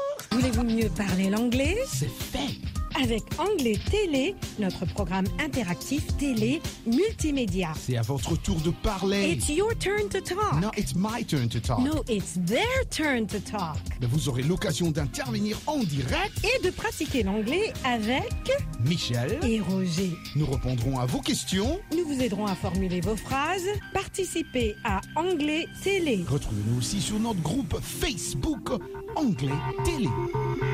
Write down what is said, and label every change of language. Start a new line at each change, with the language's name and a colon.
French: Voulez-vous mieux parler l'anglais? C'est fait! Avec Anglais Télé, notre programme interactif télé multimédia. C'est à votre tour de parler.
English: It's your turn to talk. No, it's my turn to talk. No, it's their turn to talk.
French: Mais vous aurez l'occasion d'intervenir en direct. Et de pratiquer l'anglais avec... Michel. Et Roger. Nous répondrons à vos questions. Nous vous aiderons à formuler vos phrases. Participez à Anglais Télé. Retrouvez-nous aussi sur notre groupe Facebook Anglais Télé.